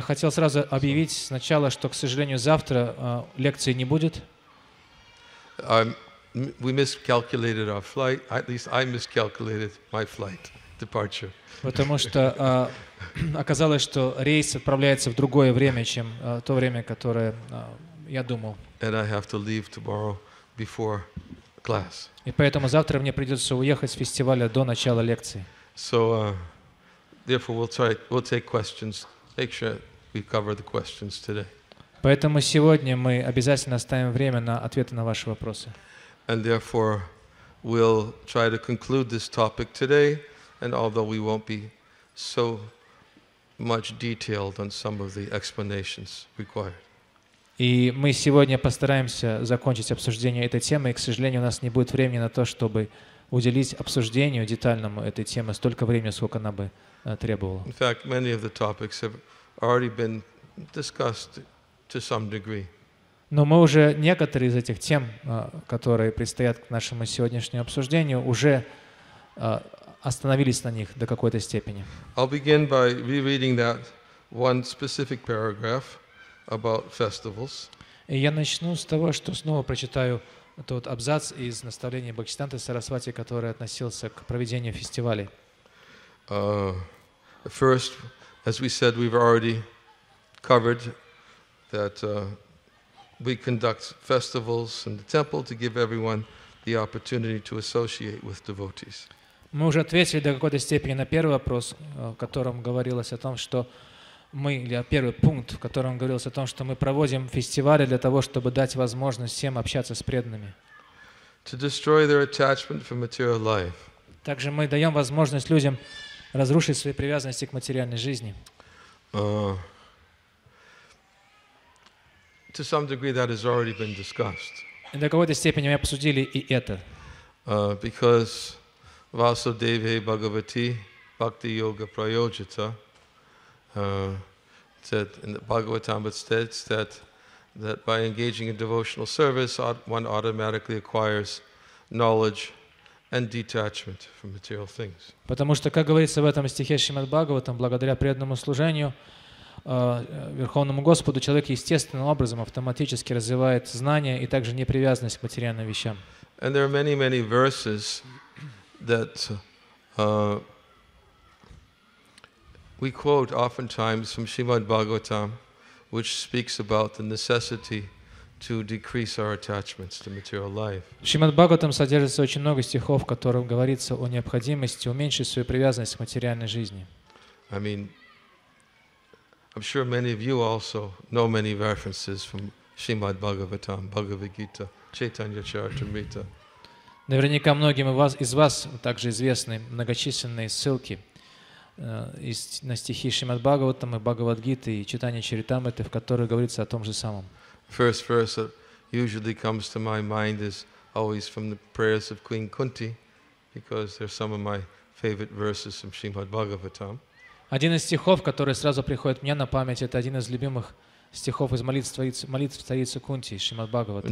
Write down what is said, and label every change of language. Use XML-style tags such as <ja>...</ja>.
<ru>хотел сразу объявить сначала, что, к сожалению, завтра лекции не будет.</ru> <en>We miscalculated our flight. At least I miscalculated my flight departure.</en> <ru>Потому что оказалось, что рейс отправляется в другое время, чем то время, которое я думал.</ru> <en>And I have to leave tomorrow before class.</en> <ru>И поэтому завтра мне придется уехать с фестиваля до начала лекции.</ru> <en>So, therefore, we'll take questions. Make sure we cover the questions today.</en> <ru>Поэтому сегодня мы обязательно оставим время на ответы на ваши вопросы.</ru> <en>And therefore, we'll try to conclude this topic today. And although we won't be so much detailed on some of the explanations required.</en> <ru>И мы сегодня постараемся закончить обсуждение этой темы, и, к сожалению, у нас не будет времени на то, чтобы уделить обсуждению детальному этой темы столько времени, сколько она бы требовала.</ru> <en>In fact, many of the topics have already been discussed to some degree.</en> <ru>Но мы уже некоторые из этих тем, которые предстоят к нашему сегодняшнему обсуждению, уже остановились на них до какой-то степени.</ru> <en>I'll begin by rereading that one specific paragraph about festivals.</en> <ru>И я начну с того, что снова прочитаю тот абзац из наставления Бхактисиддханты Сарасвати, который относился к проведению фестивалей.</ru> <en>First, as we said, we've already covered that we conduct festivals in the temple to give everyone the opportunity to associate with devotees.</en> <ru>Мы уже ответили до какой-то степени на первый вопрос, в котором говорилось о том, что мы, или первый пункт, в котором говорилось о том, что мы проводим фестивали для того, чтобы дать возможность всем общаться с преданными.</ru> <en>To destroy their attachment for material life.</en> <ru>Также мы даем возможность людям разрушить свои привязанности к материальной жизни.</ru> <en>to some degree that has already been discussed.</en> <ru>До какой-то степени мы обсудили и это.</ru> <en>Because</en> <sa>Vasudeva Bhagavati Bhakti Yoga Prayojita</sa> <en>said in the Bhagavatam it states that by engaging in devotional service one automatically acquires knowledge and detachment from material things.</en> <ru>Потому что, как говорится в этом стихе Шримад Бхагаватам, благодаря преданному служению Верховному Господу, человек естественным образом автоматически развивает знания и также непривязанность к материальным вещам.</ru> <en>And there are many, many verses that we quote oftentimes from Srimad Bhagavatam, which speaks about the necessity to decrease our attachments to material life.</en> <ru>В Шримад Бхагаватам содержится очень много стихов, в котором говорится о необходимости уменьшить свою привязанность к материальной жизни.</ru> <en>I mean, I'm sure many of you also know many references from Srimad Bhagavatam, Bhagavad Gita, Chaitanya Charitamrita.</en> <ru>Наверняка многим из вас также известны многочисленные ссылки на стихи Шримад Бхагаватам и Бхагавад Гиты и Чайтанья Чаритамриты, в которых говорится о том же самом.</ru> <en>First verse that usually comes to my mind is always from the prayers of Queen Kunti, because they're some of my favorite verses from Srimad Bhagavatam.</en> <ru>Один из стихов, который сразу приходит мне на память, это один из любимых стихов из молитв царицы Кунти, Шримад Бхагаватам.</ru>